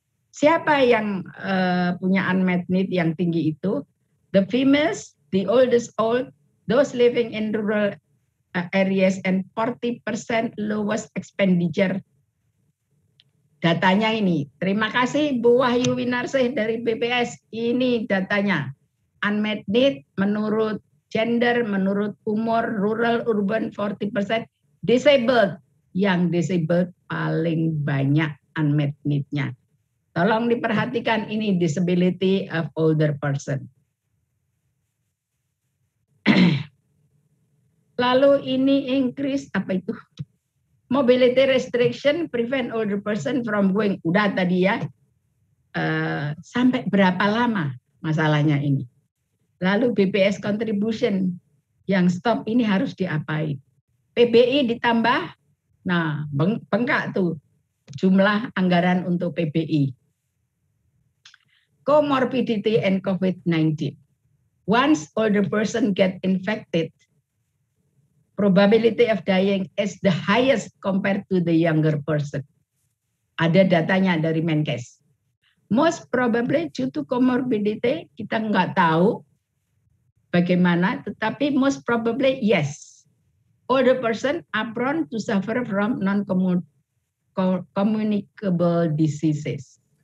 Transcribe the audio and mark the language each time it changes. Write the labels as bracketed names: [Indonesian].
[Indonesian] Siapa yang punya unmet need yang tinggi itu? [English] The females, the oldest old, those living in rural areas and 40% lowest expenditure. [Indonesian] Datanya ini. Terima kasih Bu Wahyu Winarsih dari BPS. Ini datanya. Unmet need menurut gender, menurut umur, rural, urban 40%. Disabled. Yang disabled paling banyak unmet need-nya. Tolong diperhatikan ini [English] disability of older person. [Indonesian] Lalu ini [English] increase, [Indonesian] apa itu? [English] Mobility restriction prevent older person from going. [Indonesian] Udah tadi ya, sampai berapa lama masalahnya ini. Lalu BPS contribution yang stop ini harus diapain. PBI ditambah, nah bengkak tuh jumlah anggaran untuk PBI. [English] Comorbidity and COVID-19. Once older person get infected, probability of dying is the highest compared to the younger person. [Indonesian] Ada datanya dari Menkes. [English] Most probably due to comorbidity, [Indonesian] kita nggak tahu bagaimana, tetapi [English] most probably yes. Older person are prone to suffer from non-communicable diseases.